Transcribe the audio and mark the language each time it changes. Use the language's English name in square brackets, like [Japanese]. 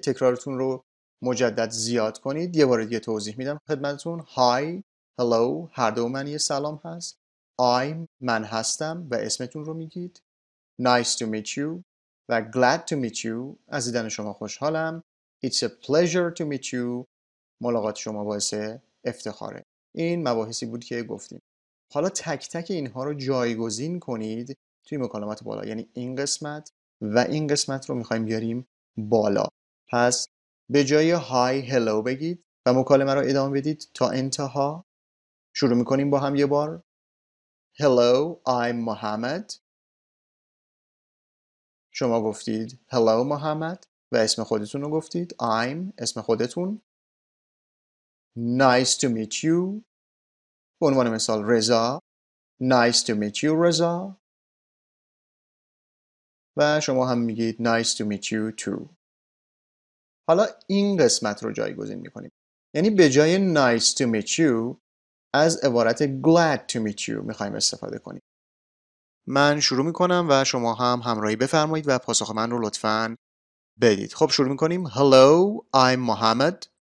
[Persian] تکرارتون رو مجدد زیاد کنید. یه بار دیگه توضیح میدم خدمتتون. [English] Hi, hello, [Persian] هر دو معنی سلام هست. I'm, من هستم و اسمتون رو میگید. [English] Nice to meet you و glad to meet you, [Persian] از دیدن شما خوشحالم. [English] It's a pleasure to meet you, [Persian] ملاقات شما باعث افتخاره. این مباحثی بود که گفتیم. حالا تک تک اینها رو جایگزین کنید توی مکالمات بالا. یعنی این قسمت و این قسمت رو میخواییم بیاریم بالا. پس به جای های هلو بگید و مکالمه رو ادامه بدید تا انتها. شروع میکنیم با هم یه بار. [English] Hello, I'm Mohammed. [Persian] شما گفتید [English] Hello, Mohammed [Persian] و اسم خودتون رو گفتید. I'm, اسم خودتون. [English] Nice to meet you. [Persian] به عنوان مثال [English] رضا. Nice to meet you, رضا. [Persian] و شما هم میگید [English] Nice to meet you too. [Persian] حالا این قسمت رو جایگزین میکنیم. یعنی به جای [English] Nice to meet you [Persian] از عبارت [English] Glad to meet you [Persian] میخواییم استفاده کنیم. من شروع میکنم و شما هم همراهی بفرمایید و پاسخ من رو لطفاً بدید. خب شروع میکنیم. [English] Hello, I'm Mohammed.